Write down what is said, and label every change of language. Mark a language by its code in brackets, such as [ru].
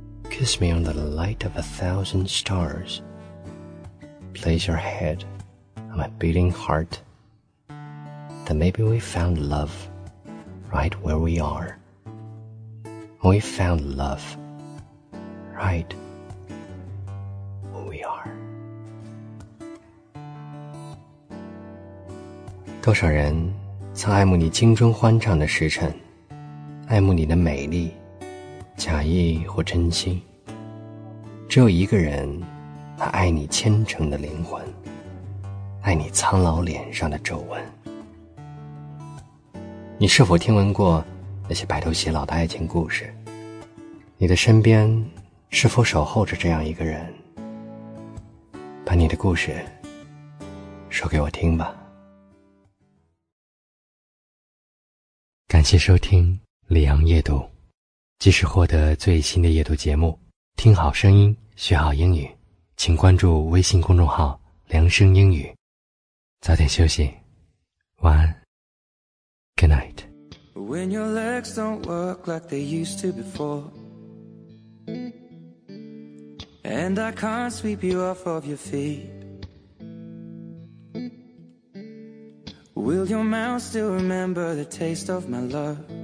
[en] Kiss me on the light of 1,000 stars. Place your head on my beating heart. Then maybe we found love right where we are. We found love right where we are. [zh] 多少人曾爱慕你精忠欢畅的时辰，爱慕你的美丽，假意或真心。只有一个人，他爱你虔诚的灵魂，爱你苍老脸上的皱纹。你是否听闻过那些白头偕老的爱情故事？你的身边是否守候着这样一个人？把你的故事说给我听吧。感谢收听李昂夜读，即使获得最新的夜读节目，听好声音，学好英语，请关注微信公众号梁声英语。早点休息，晚安。 [en] Good night. When your legs don't work like they used to before, And I can't sweep you off of your feetWill your mouth still remember the taste of my love?